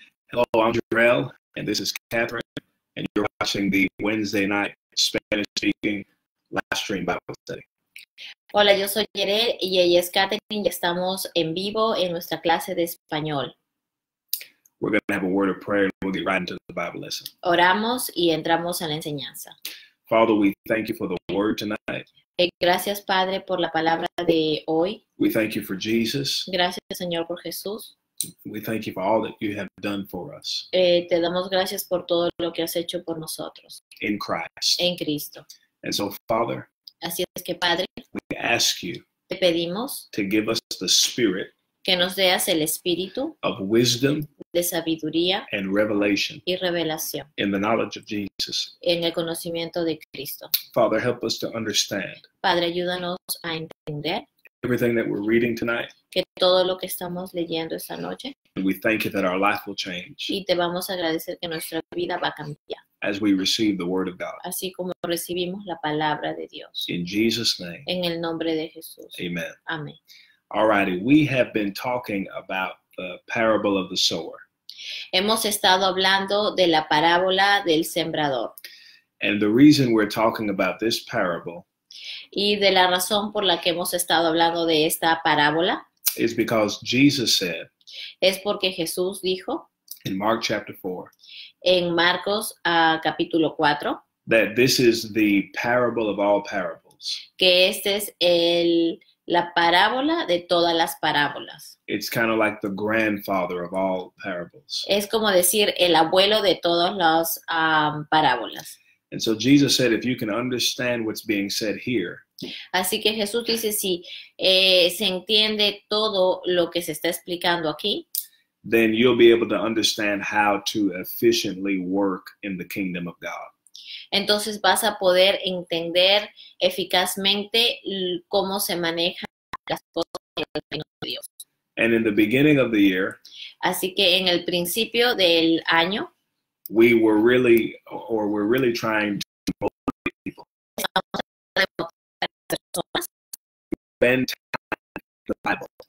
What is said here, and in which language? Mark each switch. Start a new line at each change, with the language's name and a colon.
English: Hello, I'm Jarrell, and this is Catherine, and you're watching the Wednesday night Spanish speaking live stream Bible study.
Spanish: Hola, yo soy Jarrell y ella es Catherine, y estamos en vivo en nuestra clase de español.
English: We're going to have a word of prayer, and we'll get right into the Bible lesson.
Spanish: Oramos y entramos a la enseñanza.
English: Father, we thank you for the word tonight.
Spanish: Gracias, Padre, por la palabra de hoy.
English: We thank you for Jesus.
Spanish: Gracias, Señor, por Jesús.
English: We thank you for all that you have done for us.
Spanish: Te damos gracias por todo lo que has hecho por nosotros.
English: In Christ.
Spanish: En Cristo.
English: And so, Father,
Spanish: así es que, Padre,
English: we ask you,
Spanish: te pedimos,
English: to give us the Spirit,
Spanish: que nos deas el Espíritu,
English: of wisdom,
Spanish: de sabiduría,
English: and revelation,
Spanish: y revelación,
English: in the knowledge of Jesus,
Spanish: en el conocimiento de Cristo.
English: Father, help us to understand.
Spanish: Padre, ayúdanos a entender.
English: Everything that we're reading tonight.
Spanish: Que todo lo que estamos leyendo esta noche.
English: And we thank you that our life will change.
Spanish: Y te vamos a agradecer que nuestra vida va a cambiar.
English: As we receive the word of God.
Spanish: Así como recibimos la palabra de Dios.
English: In Jesus' name.
Spanish: En el nombre de Jesús.
English: Amen.
Spanish: Amén.
English: Alrighty, we have been talking about the parable of the sower.
Spanish: Hemos estado hablando de la parábola del sembrador.
English: And the reason we're talking about this parable.
Spanish: Y de la razón por la que hemos estado hablando de esta parábola
English: is because Jesus said,
Spanish: es porque Jesús dijo
English: in Mark chapter 4,
Spanish: en Marcos capítulo 4
English: that this is the parable of all parables.
Spanish: Que esta es la parábola de todas las parábolas.
English: It's kind of like the grandfather of all parables.
Spanish: Es como decir el abuelo de todas las parábolas.
English: And so Jesus said, if you can understand what's being said here.
Spanish: Así que Jesús dice, si se entiende todo lo que se está explicando aquí.
English: Then you'll be able to understand how to efficiently work in the kingdom of God.
Spanish: Entonces vas a poder entender eficazmente cómo se maneja las cosas en el reino de Dios.
English: And in the beginning of the year.
Spanish: Así que en el principio del año.
English: We were really, or we're really trying to motivate people. Spend time in the Bible.